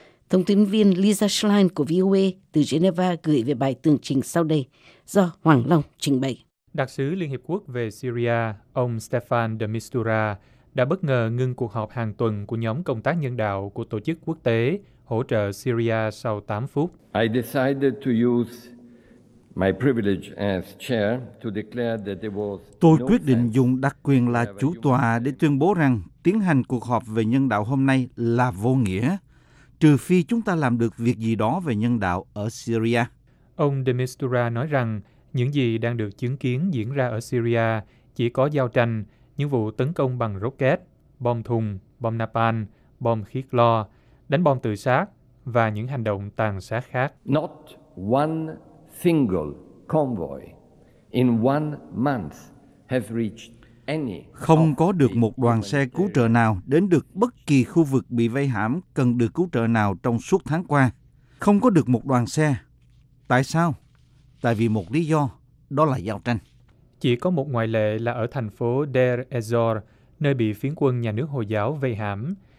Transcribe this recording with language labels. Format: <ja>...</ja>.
<vi>Thông tin viên Lisa Schlein của VOA từ Geneva gửi về bài tường trình sau đây do Hoàng Long trình bày. Đặc sứ Liên Hiệp Quốc về Syria, ông Stefan de Mistura, đã bất ngờ ngưng cuộc họp hàng tuần của nhóm công tác nhân đạo của tổ chức quốc tế hỗ trợ Syria sau 8 phút.</vi> <en>I decided to use my privilege as chair to declare that there was no.</en> <vi>Tôi quyết định dùng đặc quyền là chủ tọa để tuyên bố rằng tiến hành cuộc họp về nhân đạo hôm nay là vô nghĩa, trừ phi chúng ta làm được việc gì đó về nhân đạo ở Syria. Ông de Mistura nói rằng những gì đang được chứng kiến diễn ra ở Syria chỉ có giao tranh, những vụ tấn công bằng rocket, bom thùng, bom napalm, bom khí clo, đánh bom tự sát và những hành động tàn sát khác.</vi> <en>Not one single convoy in one month has reached any.</en> <vi>Không có được một đoàn xe cứu trợ nào đến được bất kỳ khu vực bị vây hãm cần được cứu trợ nào trong suốt tháng qua. Không có được một đoàn xe. Tại sao? Tại vì một lý do, đó là giao tranh. Chỉ có một ngoại lệ là ở thành phố Deir ez-Zor, nơi bị phiến quân nhà nước Hồi giáo vây hãm.</vi>